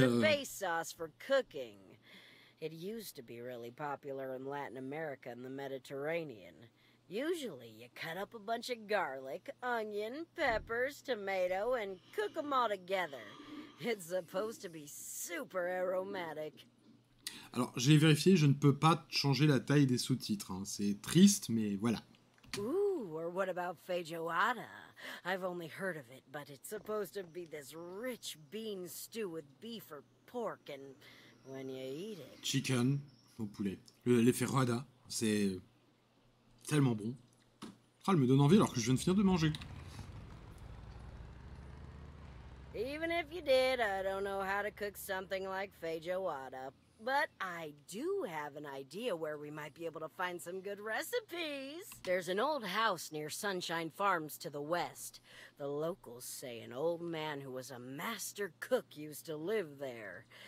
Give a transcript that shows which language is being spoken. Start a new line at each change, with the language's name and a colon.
English: No, it's a base sauce for cooking. It used to be really popular in Latin America and the Mediterranean. Usually, you cut up a bunch of garlic, onion, peppers, tomato, and cook them all together. It's supposed to be super aromatic.
French: Alors, j'ai vérifié, je ne peux pas changer la taille des sous-titres. Hein. C'est triste, mais voilà.
English: Ooh, or what about feijoada? I've only heard of it, but it's supposed to be this rich bean stew with beef or pork, and when you eat it...
French: Chicken, au poulet. Les feijoadas, c'est tellement bon. Ah, elle me donne envie alors que je viens de finir de manger.
English: Even if you did, I don't know how to cook something like feijoada. But I do have an idea where we might be able to find some good recipes. There's an old house near Sunshine Farms to the west. The locals say an old man who was a master cook used to live there.